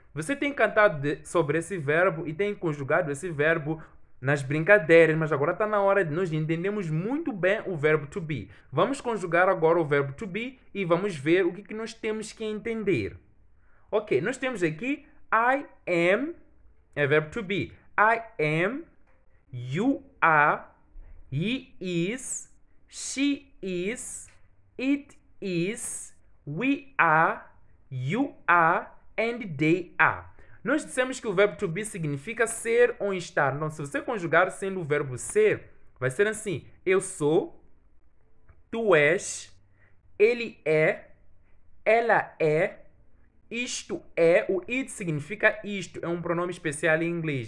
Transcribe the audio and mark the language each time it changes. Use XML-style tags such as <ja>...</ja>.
<pt>Você tem cantado sobre esse verbo e tem conjugado esse verbo nas brincadeiras, mas agora está na hora de nós entendermos muito bem o verbo to be. Vamos conjugar agora o verbo to be e vamos ver o que, que nós temos que entender. Ok, nós temos aqui</pt> <en>I am,</en> <pt>é verbo to be.</pt> <en>I am, you are, he is, she is, it is, we are, you are, and they are.</en> <pt>Nós dissemos que o verbo to be significa ser ou estar. Então, se você conjugar sendo o verbo ser, vai ser assim. Eu sou, tu és, ele é, ela é, isto é. O it significa isto. É um pronome especial em inglês.</pt>